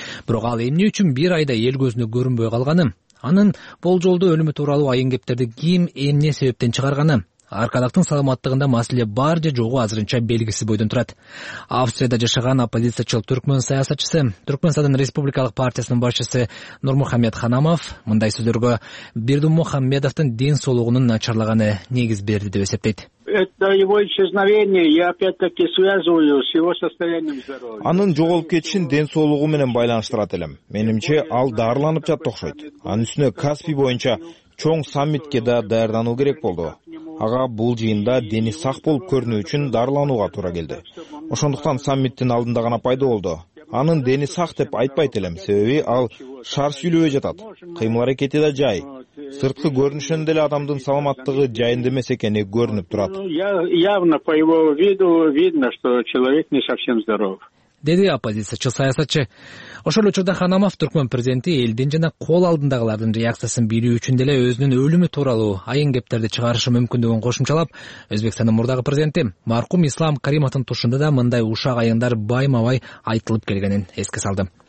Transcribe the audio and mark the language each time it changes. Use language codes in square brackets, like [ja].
[ky] Бирок ал эмне үчүн бир айда эл көзүнө көрүнбөй калганы, анын болжолдуу өлүмү тууралуу айын кептерди ким эмне себептен чыгарганы, аркадактын саламаттыгында маселе бар же жогу азырынча белгисиз бойдон турат. Австрияда жашаган оппозициячыл түркмөн саясатчысы, Түркмөнстандын республикалык партиясынын башчысы Нурмухамед Ханамов мындай сөздөргө Бердимухамедовдун ден соолугунун начарлаганы негиз берди деп эсептейт. [ru] Это его исчезновение, я опять-таки связываю с его состоянием здоровья. [ky] Анын жоголуп кетишин ден соолугу менен байланыштырат элем. Менимче ал дарыланып жатты окшойт. Анын үстүнө Каспий боюнча чоң саммитке да даярдануу керек болду. Ага бул жыйында дени сак болуп көрүнүү үчүн дарыланууга туура келди. Ошондуктан саммиттин алдында гана пайда болду. Анын дени сак деп айтпайт элем, себеби ал шар сүйлөбө жатат. Кыймыл аракети да жай. Сырткы көрүнүшүнөн деле адамдын саламаттыгы жайында эмес экени көрүнүп турат. [ru] Явно по его виду видно, что человек не совсем здоров. [ky] Деди оппозициячыл саясатчы. Ошол учурда Ханамов түркмөн президенти элдин жана кол алдындагылардын реакциясын билүү үчүн деле өзүнүн өлүмү тууралуу айын кептерди чыгарышы мүмкүндүгүн кошумчалап, Өзбекстандын мурдагы президенти маркум Ислам Кариматын тушунда да мындай ушак айындар байма-бай айтылып келгенин эске салды.